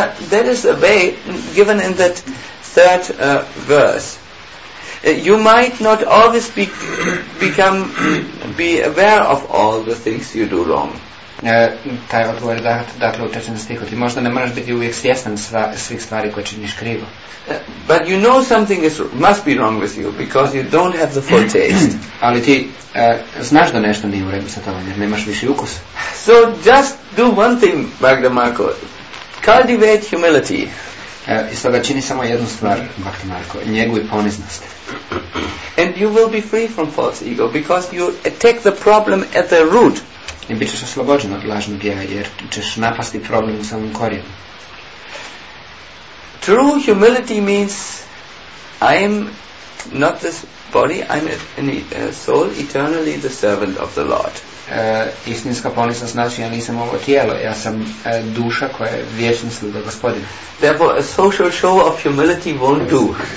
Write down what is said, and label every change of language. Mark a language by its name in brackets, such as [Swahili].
[English] That is a way given in that third verse. You might not always become aware of all the things you do wrong. [Croatian] Taj odgovor je dakle u trećem stihu. Ti možda ne moraš biti uvijek svjestan svih stvari koje činiš krivo. [English] But you know something is, must be wrong with you because you don't have the full taste. [Croatian] Ali ti znaš da nešto nije u redu sa tobom jer nemaš više ukus. [English] So just do one thing, Bhakti Marko. Cultivate humility. [Croatian] I stoga čini samo jednu stvar, Bhakti Marko. Njeguj poniznost. [English] And you will be free from false ego because you attack the problem at the root. [Croatian] I bit ćeš oslobođen od lažnog ja, jer ćeš napasti problem u samom korijenu. [English] True humility means I am not this body, I am a soul, eternally the servant of the Lord. [Croatian] Istinska ponisa znači ja nisam ovo tijelo, ja sam duša koja je vječna sluga gospodina. [English] Therefore a social show of humility won't do.